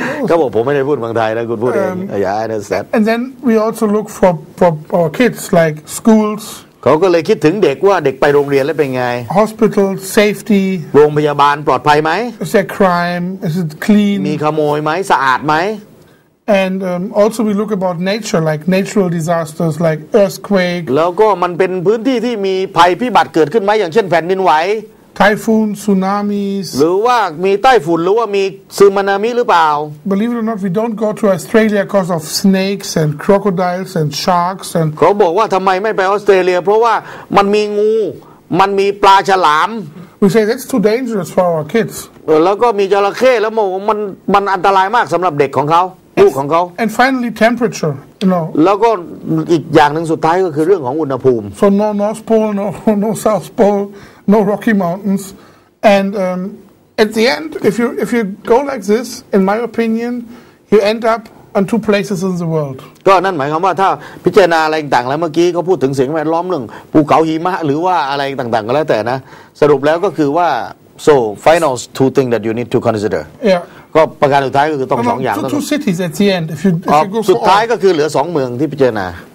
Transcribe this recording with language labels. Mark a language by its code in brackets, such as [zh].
[th] ก็บอกผมไม่ได้พูดเมืองไทยนะคุณพูดเองอย่า [en] understand and then we also look for our kids like schools [th] เขาก็เลยคิดถึงเด็กว่าเด็กไปโรงเรียนแล้วเป็นไง [en] hospital safety [th] โรงพยาบาลปลอดภัยไหม [en] is there crime is it clean [th] มีขโมยไหมสะอาดไหม [en] And also we look about nature, like natural disasters, like earthquake. [th] แล้วก็มันเป็นพื้นที่ที่มีภัยพิบัติเกิดขึ้นไหมอย่างเช่นแผ่นดินไหว [en] typhoon, tsunamis. [th] หรือว่ามีไต้ฝุ่นหรือว่ามีสึนามิหรือเปล่า [en] Believe it or not, we don't go to Australia because of snakes and crocodiles and sharks. And [th] เขาบอกว่าทำไมไม่ไปออสเตรเลียเพราะว่ามันมีงูมันมีปลาฉลาม [en] We say that's too dangerous for our kids. [th] แล้วก็มีจระเข้แล้วมันอันตรายมากสำหรับเด็กของเขาลูกของเขา [en] and finally temperature you know [th] แล้วก็อีกอย่างนึงสุดท้ายก็คือเรื่องของอุณหภูมิ [en] so no North Pole no South Pole no Rocky Mountains and at the end if you go like this in my opinion you end up on two places in the world [th] ก็นั่นหมายความว่าถ้าพิจารณาอะไรต่างๆแล้วเมื่อกี้เขาพูดถึงสิ่งแวดล้อมเรื่องภูเขาหิมะหรือว่าอะไรต่างๆก็แล้วแต่นะสรุปแล้วก็คือว่า [en] so final two thing that you need to consider yeah [th] ก็ประการสุดท้ายก็คือต้องสองอย่าง ต้อง [en] two cities at the end if you go [th] สุดท้ายก็คือเหลือสองเมืองที่พิจารณา